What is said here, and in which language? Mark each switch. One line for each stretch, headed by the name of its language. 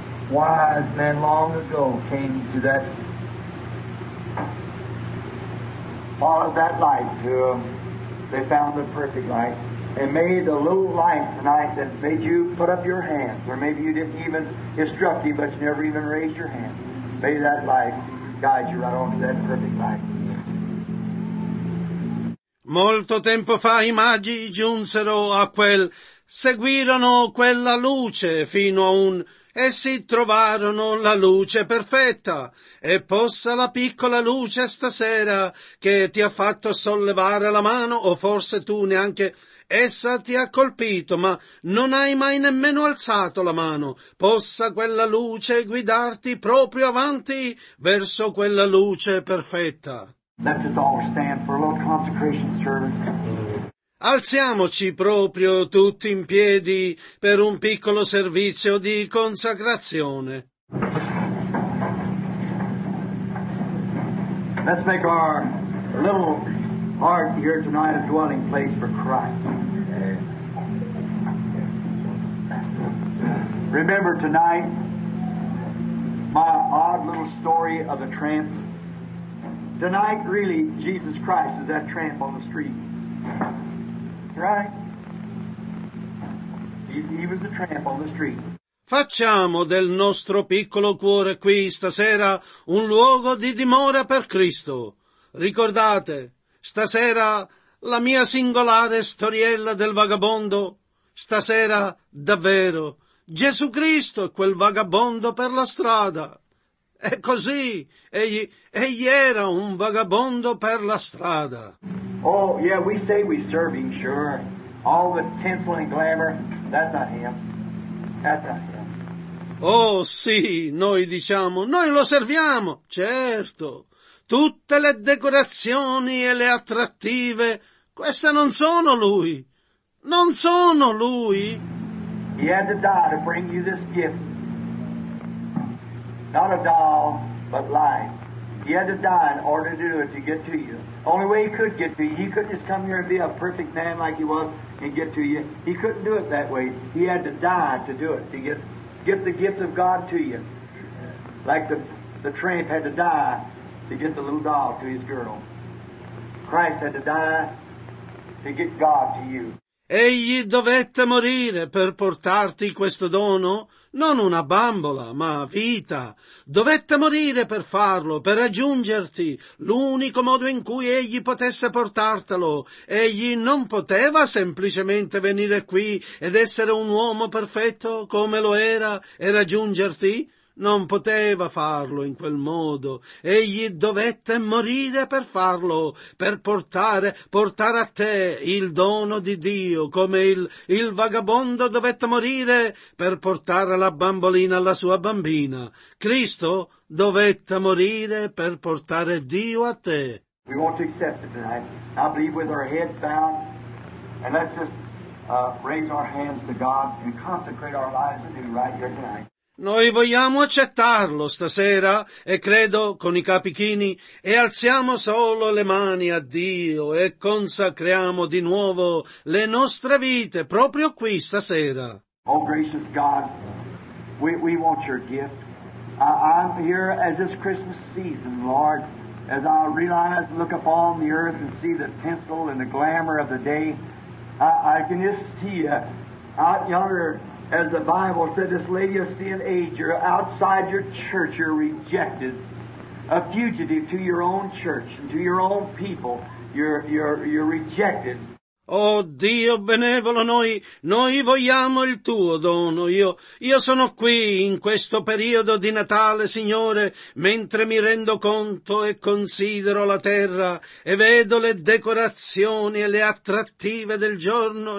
English: Wise men long ago came to that, followed that light to them. They found the perfect light. And may the little light tonight that made you put up your hands, or maybe you didn't even, it struck you, but you never even raised your hand. May that light guide you right on to that perfect light.
Italian: Molto tempo fa i magi giunsero a quel, seguirono quella luce fino a un, essi trovarono la luce perfetta, e possa la piccola luce stasera che ti ha fatto sollevare la mano, o forse tu neanche, essa ti ha colpito, ma non hai mai nemmeno alzato la mano, possa quella luce guidarti proprio avanti verso quella luce perfetta.
English: Let us all stand for a little consecration service.
Italian: Alziamoci proprio tutti in piedi per un piccolo servizio di consacrazione.
English: Let's make our little heart here tonight a dwelling place for Christ. Remember tonight my odd little story of a tramp. Tonight, really, Jesus Christ is that tramp on the street. Right. He was a tramp on the street.
Italian: Facciamo del nostro piccolo cuore qui stasera un luogo di dimora per Cristo. Ricordate, stasera la mia singolare storiella del vagabondo, stasera davvero Gesù Cristo è quel vagabondo per la strada. È così, egli era un vagabondo per la strada.
English: Oh, yeah, we say we serve him, sure. All the tinsel and glamour, that's not him. That's not him.
Italian: Oh, sì, noi diciamo, noi lo serviamo, certo. Tutte le decorazioni e le attrattive, queste non sono lui. Non sono lui.
English: He had to die to bring you this gift. Not a doll, but life. He had to die in order to do it, to get to you. Only way he could get to you. He couldn't just come here and be a perfect man like he was and get to you. He couldn't do it that way. He had to die to do it, to get the gift of God to you. Like the tramp had to die to get the little doll to his girl. Christ had to die to get God to you.
Italian: Egli dovette morire per portarti questo dono? Non una bambola, ma vita. Dovette morire per farlo, per raggiungerti. L'unico modo in cui egli potesse portartelo. Egli non poteva semplicemente venire qui ed essere un uomo perfetto come lo era e raggiungerti. Non poteva farlo in quel modo. Egli dovette morire per farlo, per portare a te il dono di Dio, come il vagabondo dovette morire per portare la bambolina alla sua bambina. Cristo dovette morire per portare Dio a te.
English: We want to accept it tonight. I believe with our heads bowed, and let's just raise our hands to God and consecrate our lives anew right here tonight.
Italian: Noi vogliamo accettarlo stasera, e credo, con i capi chini, e alziamo solo le mani a Dio e consacriamo di nuovo le nostre vite proprio qui stasera.
English: Oh, gracious God, We want your gift. I'm here as this Christmas season, Lord, as I realize and look upon the earth and see the tinsel and the glamour of the day. I can just see you out yonder, as the Bible said, this lady of sin age, you're outside your church, you're rejected. A fugitive to your own church and to your own people, you're rejected.
Italian: Oh Dio benevolo, noi vogliamo il tuo dono. Io sono qui in questo periodo di Natale, Signore, mentre mi rendo conto e considero la terra e vedo le decorazioni e le attrattive del giorno.